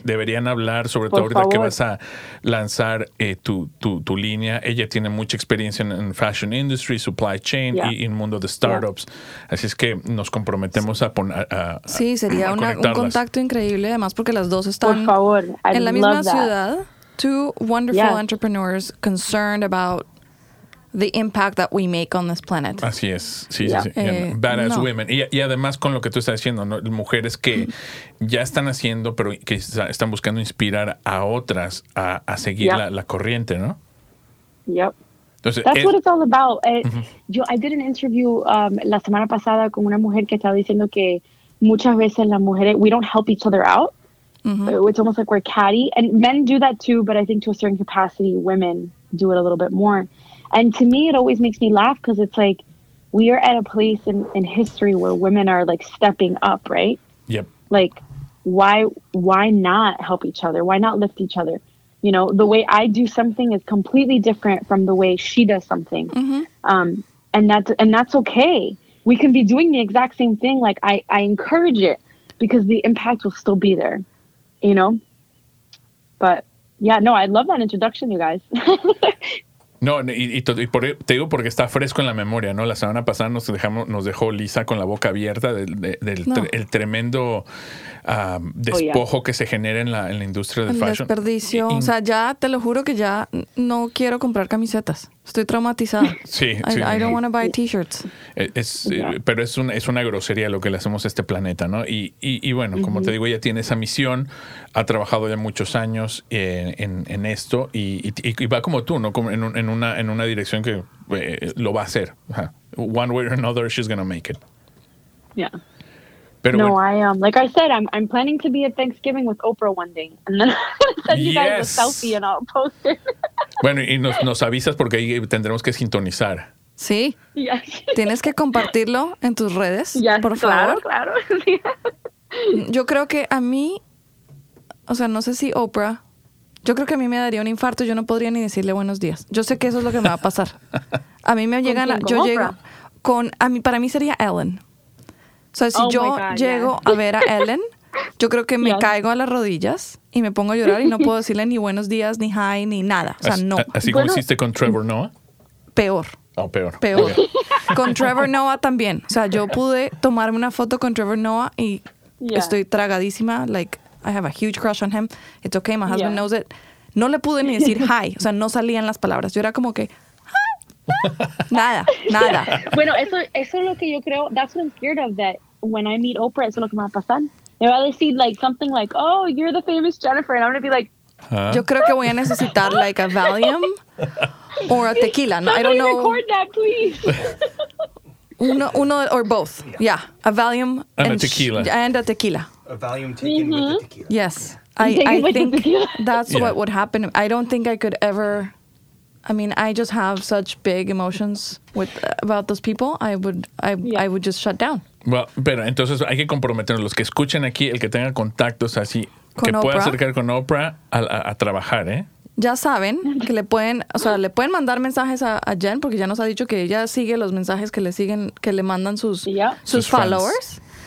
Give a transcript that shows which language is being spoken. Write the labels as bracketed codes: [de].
[es] Deberían hablar, sobre todo ahorita que vas a lanzar tu línea. Ella tiene mucha experiencia en [en] fashion industry, supply chain [es] y en mundo de startups. Yeah. Así es que nos comprometemos a poner... Sería un contacto increíble, además, porque las dos están en la misma ciudad. [en] Two wonderful entrepreneurs concerned about the impact that we make on this planet. [es] Así es. [en] Badass women. [es] Y además con lo que tú estás diciendo, ¿no? Mujeres que ya están haciendo, pero que están buscando inspirar a otras a seguir la corriente, ¿no? [en] Entonces, that's what it's all about. I did an interview [es] la semana pasada con una mujer que estaba diciendo que muchas veces las mujeres, [en] we don't help each other out. Mm-hmm. It's almost like we're catty. And men do that too, but I think to a certain capacity, women do it a little bit more. And to me, it always makes me laugh because it's like we are at a place in history where women are like stepping up, right? Yep. Like, why not help each other? Why not lift each other? You know, the way I do something is completely different from the way she does something. Mm-hmm. And that's okay. We can be doing the exact same thing. Like, I encourage it because the impact will still be there, you know? But, yeah, no, I love that introduction, you guys. [es] No, y por, te digo porque está fresco en la memoria, ¿no? La semana pasada nos dejó Lisa con la boca abierta el tremendo despojo que se genera en la industria del fashion. Desperdicio. O sea, ya te lo juro que ya no quiero comprar camisetas. Estoy traumatizada. Sí. [en] I don't want to buy t-shirts. [es] Pero es una grosería lo que le hacemos a este planeta, ¿no? Y bueno, uh-huh. como te digo, ella tiene esa misión. Ha trabajado ya muchos años en esto. Y va como tú, ¿no? Como en una dirección que lo va a hacer. [en] Uh-huh. One way or another, she's going to make it. [es] Yeah. Pero no, bueno. [en] I am. Like I said, I'm planning to be at Thanksgiving with Oprah one day. And then I'll send you guys a selfie and I'll post it. [es] Bueno, y nos avisas porque ahí tendremos que sintonizar. Sí. [en] Yes. [es] Tienes que compartirlo en tus redes, [en] yes, [es] por claro, favor. Claro. Yo creo que a mí, o sea, no sé si Oprah, yo creo que a mí me daría un infarto. Yo no podría ni decirle buenos días. Yo sé que eso es lo que me va a pasar. A mí me llega la... Yo llego con... Para mí sería Ellen. O sea, si yo llego a ver a Ellen, yo creo que me caigo a las rodillas y me pongo a llorar y no puedo decirle ni buenos días, ni hi, ni nada. O sea, ¿Así como hiciste con Trevor Noah? Peor. Oh, peor. Peor. Okay. Con Trevor Noah también. O sea, yo pude tomarme una foto con Trevor Noah y estoy tragadísima. [en] Like, I have a huge crush on him. It's okay, my husband knows it. [es] No le pude ni decir hi. O sea, no salían las palabras. Yo era como que... nada. Bueno, eso es lo que yo creo. [en] That's what I'm scared of, that when I meet Oprah, [es] eso es lo que me va a pasar. Me va a decir [en] like something like, oh, you're the famous Jennifer, and I'm gonna be like, huh? [es] Yo creo que voy a necesitar [en] like a Valium or a tequila. Somebody I don't know. Record that, please. uno or both. Yeah, a Valium and a tequila. And a tequila. A Valium taken mm-hmm. with the tequila. Yes, I think that's what would happen. I don't think I could ever. I mean, I just have such big emotions about those people. I would just shut down. [es] Well, pero entonces hay que comprometernos. Los que escuchen aquí, el que tenga contactos así, con que Oprah. Pueda acercar con Oprah a trabajar, ¿eh? Ya saben que le pueden mandar mensajes a Jen, porque ya nos ha dicho que ella sigue los mensajes que le mandan sus followers.